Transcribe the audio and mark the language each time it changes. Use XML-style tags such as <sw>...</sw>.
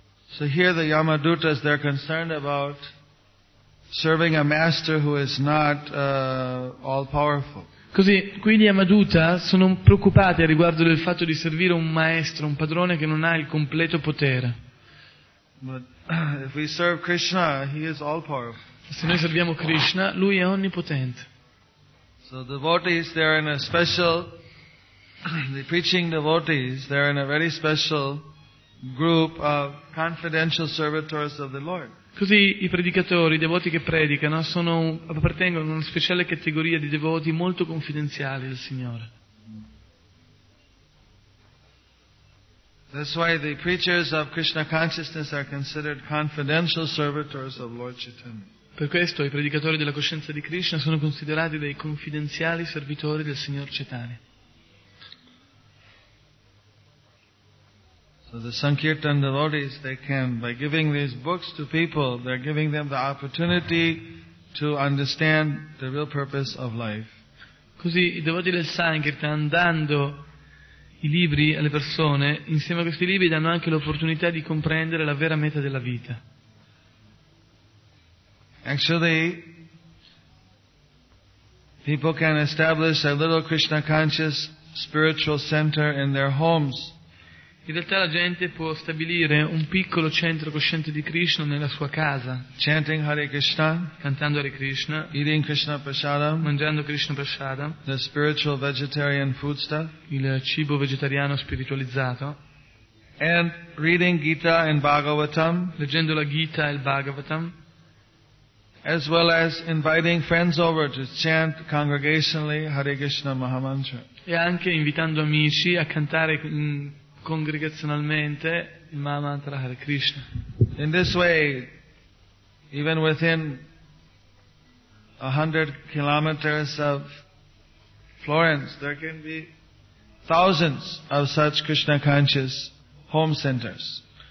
<en>So here the Yamadutas, they're concerned about serving a master who is not all powerful.</en> <it>Così, qui gli Yamaduta sono preoccupati a riguardo del fatto di servire un maestro, un padrone che non ha il completo potere.</it> <en>But if we serve Krishna, he is all powerful.</en> <it>Se noi serviamo Krishna, lui è onnipotente.</it> <en>So the devotees, they're in a special, the preaching devotees, they're in a very special group of confidential servitors of the Lord.</en> <it>Così i predicatori, i devoti che predicano, appartengono a una speciale categoria di devoti molto confidenziali del Signore.</it> <en>That's why the preachers of Krishna consciousness are considered confidential servitors of Lord Chaitanya.</en> <it>Per questo i predicatori della coscienza di Krishna sono considerati dei confidenziali servitori del Signor Chaitanya.</it> <en>So the Sankirtan devotees, they can, by giving these books to people, they're giving them the opportunity to understand the real purpose of life.</en> <it>Così i devoti del Sankirtan, dando i libri alle persone, insieme a questi libri danno anche l'opportunità di comprendere la vera meta della vita.</it> <en>Actually, people can establish a little Krishna conscious spiritual center in their homes.</en> <it>In realtà la gente può stabilire un piccolo centro cosciente di Krishna nella sua casa.</it> <en>Chanting Hare Krishna,</en> <it>cantando Hare Krishna,</it> <en>eating Krishna prasadam,</en> <it>mangiando Krishna prasadam,</it> <en>the spiritual vegetarian foodstuff,</en> <it>il cibo vegetariano spiritualizzato,</it> <en>and reading Gita and Bhagavatam,</en> <it>leggendo la Gita e il Bhagavatam,</it> <en>as well as inviting friends over to chant congregationally Hare Krishna Mahamantra.</en> <it>E anche invitando amici a cantare congregazionalmente il Mahamantra Hare Krishna.</it> <en>In this way, even within 100 kilometers of Florence, there can be thousands of such Krishna conscious home centers.</en>